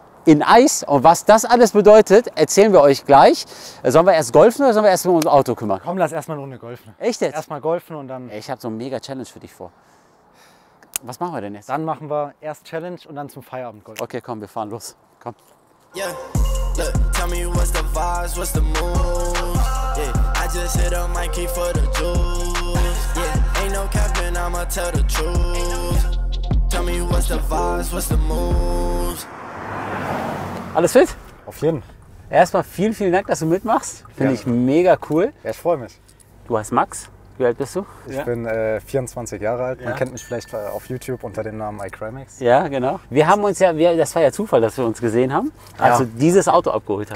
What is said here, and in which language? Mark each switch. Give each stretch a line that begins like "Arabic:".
German: In Eis. Und was das alles bedeutet, erzählen wir euch gleich. Sollen wir erst golfen oder sollen wir erst um unser Auto kümmern? Komm, lass erstmal eine Runde golfen. Echt jetzt? Erstmal golfen und dann... Ich habe so eine mega Challenge für dich vor. Was machen wir denn jetzt? Dann machen wir erst Challenge und dann zum Feierabend golfen. Okay, komm, wir fahren los. Komm.
English: Yeah. Look, tell me what's the vibes, what's the moves? Yeah, I just hit a Mikey for the juice. Yeah, ain't no captain, I'ma tell the truth. Tell me what's the vibes, what's the moves?
German: Alles fit? Auf jeden. Erstmal vielen, vielen Dank, dass du mitmachst. Finde ich mega cool. Ja, ich freue mich. Du heißt Max. Wie alt bist du? Ich bin 24 Jahre alt. Man kennt mich vielleicht auf YouTube unter dem Namen iCrimex. Ja, genau. Wir haben uns ja, das war ja Zufall, dass wir uns gesehen haben, als du dieses Auto abgeholt hast.